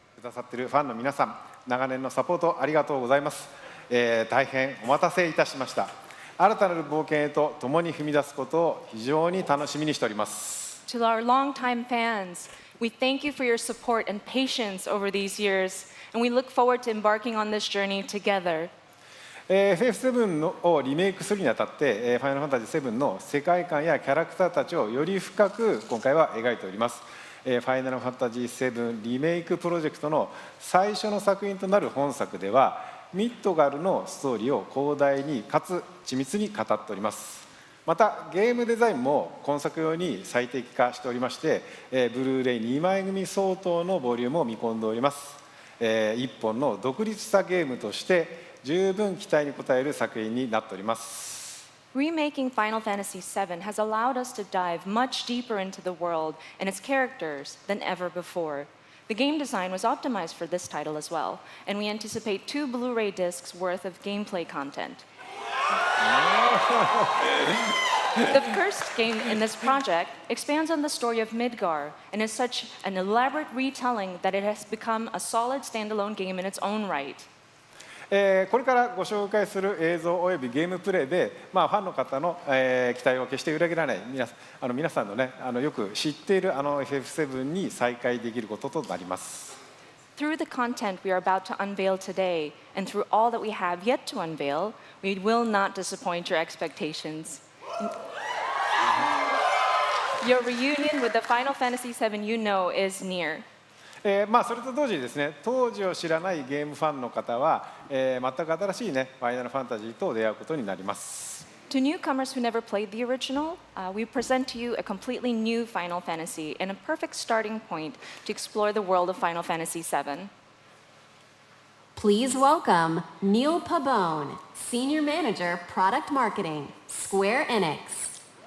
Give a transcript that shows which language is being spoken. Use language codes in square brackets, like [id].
[en] To our longtime fans, we thank you for your support and patience over these years, and we look forward to embarking on this journey together. [ja] FF7 をリメイクするにあたって、ファイナルファンタジー7の世界観やキャラクターたちをより深く今回は描いております。ファイナルファンタジー7リメイクプロジェクトの最初の作品となる本作では、ミッドガルのストーリーを広大にかつ緻密に語っております。またゲームデザインも今作用に最適化しておりまして、ブルーレイ2枚組相当のボリュームを見込んでおります。一本の独立したゲームとして十分期待に応える作品になっております。 [en] Remaking Final Fantasy VII has allowed us to dive much deeper into the world and its characters than ever before. The game design was optimized for this title as well, and we anticipate 2 Blu-ray discs worth of gameplay content. The first game in this project expands on the story of Midgar and is such an elaborate retelling that it has become a solid standalone game in its own right. [ja] これからご紹介する映像およびゲームプレイで、まあ、ファンの方の、期待を決して裏切らない皆さんの、ね、よく知っているFF7 に再会できることとなります。 [en] Through the content we are about to unveil today, and through all that we have yet to unveil, we will not disappoint your expectations. Your reunion with the Final Fantasy VII you know is near. [ja] まあ、それと同時にですね、当時を知らないゲームファンの方は、全く新しいね、ファイナルファンタジーと出会うことになります。 [en] To newcomers who never played the original, we present to you a completely new Final Fantasy and a perfect starting point to explore the world of Final Fantasy VII. Please welcome Neil Pabon, Senior Manager, Product Marketing, Square Enix.